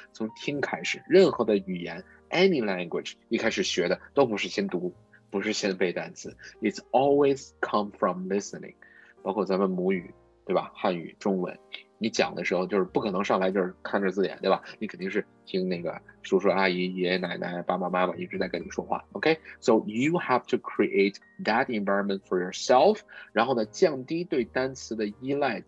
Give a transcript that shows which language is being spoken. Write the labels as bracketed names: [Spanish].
[Chinese] 从听开始，任何的语言 ， [English] any language， [Chinese] 一开始学的都不是先读，不是先背单词。 [English] It's always come from listening. [Chinese] 包括咱们母语，对吧？汉语、中文，你讲的时候就是不可能上来就是看着字典，对吧？你肯定是听那个叔叔阿姨、爷爷奶奶、爸爸妈妈一直在跟你说话。 [English] OK， so you have to create that environment for yourself. [Chinese] 然后呢，降低对单词的依赖。